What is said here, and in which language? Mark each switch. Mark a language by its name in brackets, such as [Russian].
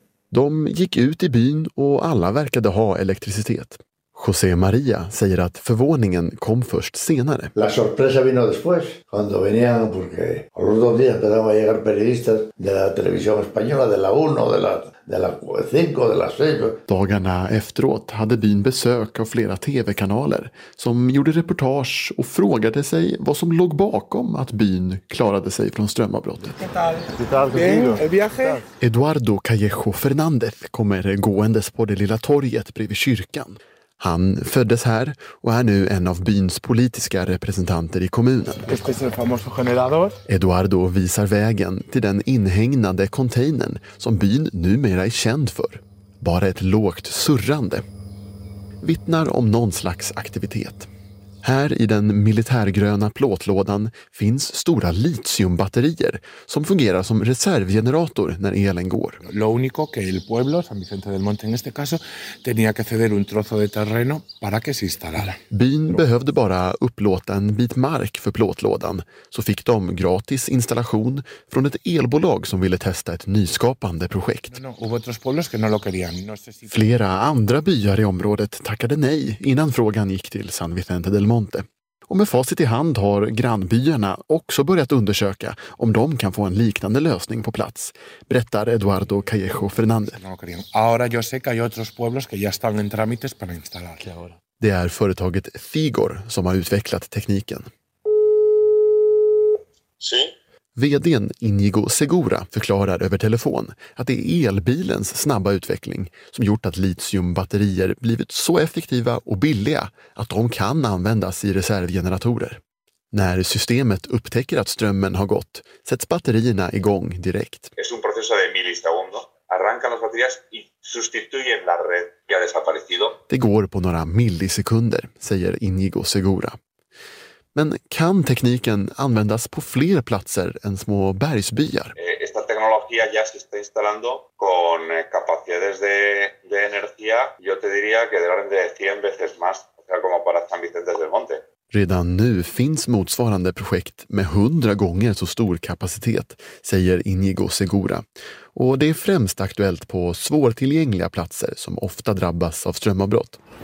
[Swedish] De gick ut i byn och alla verkade ha elektricitet. José María säger att förvåningen kom först senare. [Spanish] La sorpresa vino después, cuando venían, porque a los dos días empezaron a llegar periodistas de la televisión española, de la 1, de la 5, de la 6. [Swedish] Dagarna efteråt hade byn besök av flera tv-kanaler som gjorde reportage och frågade sig vad som låg bakom att byn klarade sig från strömavbrottet. Eduardo Callejo Fernández kommer gåendes på det lilla torget bredvid kyrkan. Han föddes här och är nu en av byns politiska representanter i kommunen. Eduardo visar vägen till den inhägnade containern som byn numera är känd för. Bara ett lågt surrande. Vittnar om någon slags aktivitet. Här i den militärgröna plåtlådan finns stora litiumbatterier som fungerar som reservgenerator när elen går. [Spanish] Lo único que el pueblo, San Vicente del Monte en este caso, tenía que ceder un trozo de terreno para que se instalara. [Swedish] Byn behövde bara upplåta en bit mark för plåtlådan, så fick de gratis installation från ett elbolag som ville testa ett nyskapande projekt. Flera andra byar i området tackade nej innan frågan gick till San Vicente del Monte. Och med facit i hand har grannbyarna också börjat undersöka om de kan få en liknande lösning på plats, berättar Eduardo Callejo Fernández. Det är företaget Figor som har utvecklat tekniken. VD:n Inigo Segura förklarar över telefon att det är elbilens snabba utveckling som gjort att litiumbatterier blivit så effektiva och billiga att de kan användas i reservgeneratorer. När systemet upptäcker att strömmen har gått sätts batterierna igång direkt. [Spanish] Es un proceso de milisegundos. Arrancan las baterías y sustituyen la red que ha desaparecido. [Swedish] Det går på några millisekunder, säger Inigo Segura. Men kan tekniken användas på fler platser än små bergsbyar? [Spanish] Esta tecnología ya se está instalando con capacidades de energía, yo te diría que de orden de 100 veces más, o sea, como para San Vicente del Monte. [Swedish] Redan nu finns motsvarande projekt med 100 gånger så stor kapacitet, säger Inigo Segura. Och det är främst aktuellt på svårtillgängliga platser som ofta drabbas av strömavbrott.